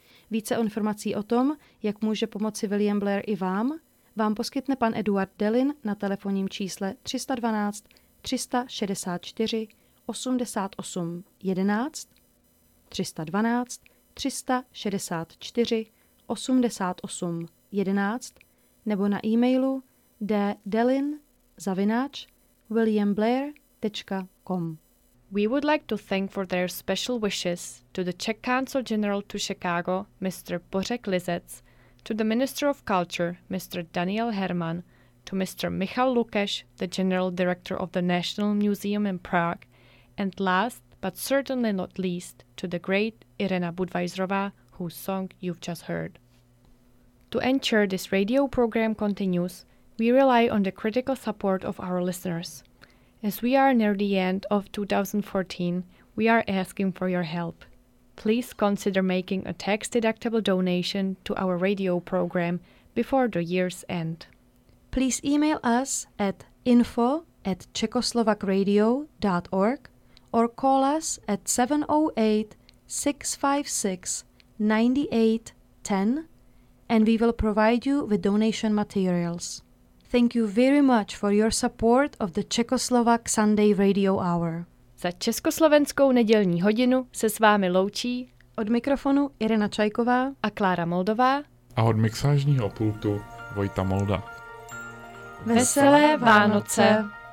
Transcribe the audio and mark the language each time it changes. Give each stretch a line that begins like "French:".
Czech: Více informací o tom, jak může pomoci William Blair i vám, vám poskytne pan Eduard Delin na telefonním čísle 312 364 88 11 312 364 88 11 nebo na e-mailu ddelin@williamblair.com.
English: We would like to thank for their special wishes to the Czech Consul General to Chicago, Mr. Bořek Lizec, to the Minister of Culture, Mr. Daniel Herman, to Mr. Michal Lukáš, the General Director of the National Museum in Prague, and last, but certainly not least, to the great Irena Budweiserová, whose song you've just heard. To ensure this radio program continues, we rely on the critical support of our listeners. As we are near the end of 2014, we are asking for your help. Please consider making a tax-deductible donation to our radio program before the year's end. Please email us at info@czechoslovakradio.org or call us at 708-656-9810 and we will provide you with donation materials. Thank you very much for your support of the Czechoslovak Sunday Radio Hour.
Czech: Za československou nedělní hodinu se s vámi loučí od mikrofonu Irena Čajková a Klára Moldová a od mixážního pultu Vojta Molda. Veselé Vánoce!